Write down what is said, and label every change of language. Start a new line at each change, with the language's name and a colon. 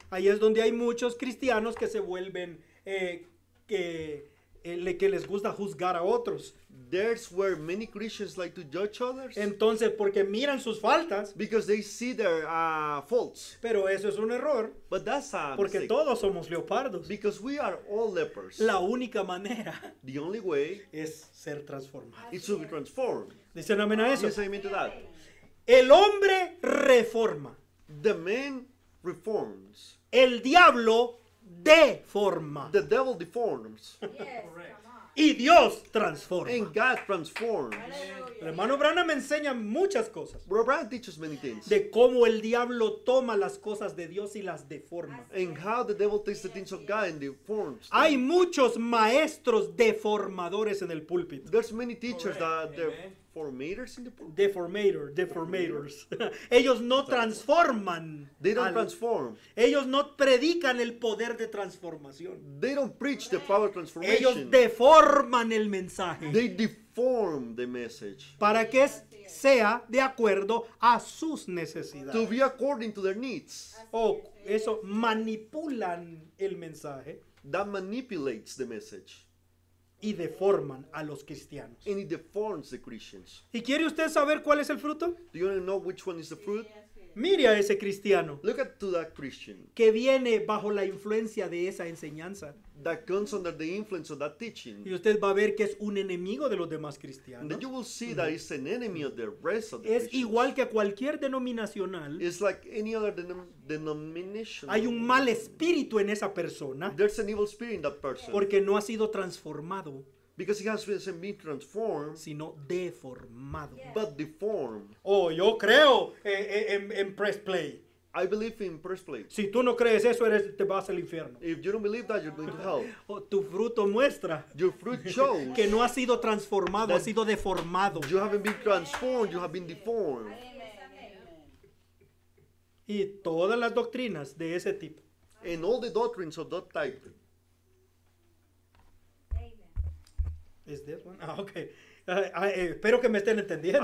Spanish: Ahí es donde hay muchos cristianos que se vuelven que les gusta juzgar a otros.
English: There's where many Christians like to judge others.
Spanish: Entonces, porque miran sus faltas.
English: Because they see their faults.
Spanish: Pero eso es un error.
English: But that's a
Spanish: porque
English: mistake.
Spanish: Todos somos leopardos.
English: Because we are all lepers.
Spanish: La única manera.
English: The only way.
Spanish: Es ser transformado.
English: It's to be transformed.
Spanish: Dicen amén a eso.
English: Yes, amen to that.
Spanish: El hombre reforma.
English: The man reforms.
Spanish: El diablo deforma.
English: The devil deforms. Yes.
Spanish: Y Dios transforma.
English: And God transforms.
Spanish: El hermano Branham me enseña muchas cosas.
English: Bro Branham teaches many things.
Spanish: De cómo el diablo toma las cosas de Dios y las deforma.
English: And how the devil takes the things of God and deforms.
Spanish: Hay muchos maestros deformadores en el púlpito.
English: There's many teachers that deformators in the pulpit.
Spanish: Deformators. Ellos no transforman.
English: They don't transform.
Spanish: Ellos no predican el poder de transformación.
English: They don't preach the power of transformation.
Spanish: Ellos deforman el mensaje.
English: They deform the message.
Spanish: Para que sea de acuerdo a sus necesidades.
English: To be according to their needs.
Spanish: Eso manipulan el mensaje.
English: That manipulates the message.
Spanish: Y deforman a los cristianos.
English: And it deforms the Christians.
Spanish: ¿Y quiere usted saber cuál es el fruto?
English: Do you want to know which one is the fruit?
Spanish: Mire a ese cristiano.
English: Look at to that Christian.
Spanish: Que viene bajo la influencia de esa enseñanza.
English: That comes under the influence of that teaching.
Spanish: Y usted va a ver que es un enemigo de los demás cristianos.
English: And then you will see that it's an enemy of the rest of the Christians.
Spanish: Es igual que cualquier denominacional.
English: It's like any other denomination.
Spanish: Hay un mal espíritu en esa persona.
English: There's an evil spirit in that person.
Spanish: Porque no ha sido transformado.
English: Because he hasn't been transformed,
Spanish: sino deformado.
English: But deformed.
Spanish: Oh, yo creo en press play.
English: I believe in press play.
Spanish: Si tú no crees eso, eres, te vas al infierno.
English: If you don't believe that, you're going to hell.
Spanish: Tu fruto muestra.
English: Your fruit shows.
Spanish: Que no ha sido transformado, ha sido deformado.
English: You haven't been transformed, you have been deformed.
Spanish: Y todas las doctrinas de ese tipo.
English: And all the doctrines of that type. Amen. Is this one? Ah, okay.
Spanish: Espero que me estén entendiendo.